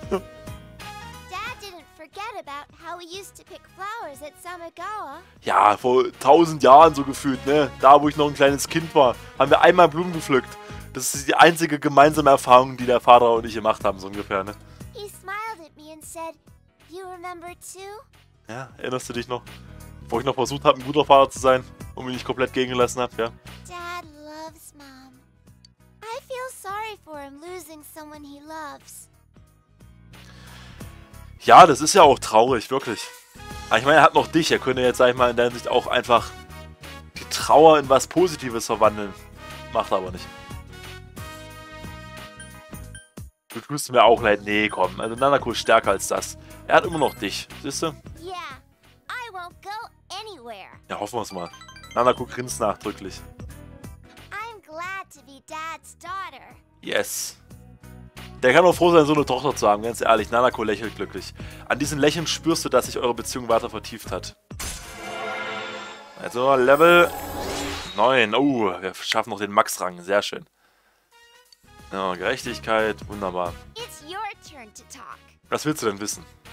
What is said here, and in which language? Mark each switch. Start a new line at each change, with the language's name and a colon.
English: Dad didn't forget about how we used to pick flowers at Samagawa.
German: Ja, vor 1000 Jahren so gefühlt, ne? Da, wo ich noch ein kleines Kind war, haben wir einmal Blumen gepflückt. Das ist die einzige gemeinsame Erfahrung, die der Vater und ich gemacht haben, so ungefähr, ne?
English: He smiled at me and said, you remember too?
German: Ja, erinnerst du dich noch? Wo ich noch versucht habe, ein guter Vater zu sein und mich nicht komplett gegengelassen habe, ja?
English: Dad loves Mom. I feel sorry for him losing someone he loves.
German: Ja, das ist ja auch traurig, wirklich. Aber ich meine, er hat noch dich. Er könnte jetzt, sag ich mal, in deiner Sicht auch einfach die Trauer in was Positives verwandeln. Macht aber nicht. Du tust mir auch leid. Nee, komm. Also Nanako ist stärker als das. Er hat immer noch dich. Siehst du?
English: Yeah, I won't go anywhere.
German: Ja, hoffen wir es mal. Nanako grinst nachdrücklich.
English: I'm glad to be Dad's daughter. Yes.
German: Der kann auch froh sein, so eine Tochter zu haben. Ganz ehrlich, Nanako lächelt glücklich. An diesem Lächeln spürst du, dass sich eure Beziehung weiter vertieft hat. Also Level 9. Oh, wir schaffen noch den Max-Rang. Sehr schön. Ja, Gerechtigkeit, wunderbar.
English: It's your turn to talk.
German: Was willst du denn wissen?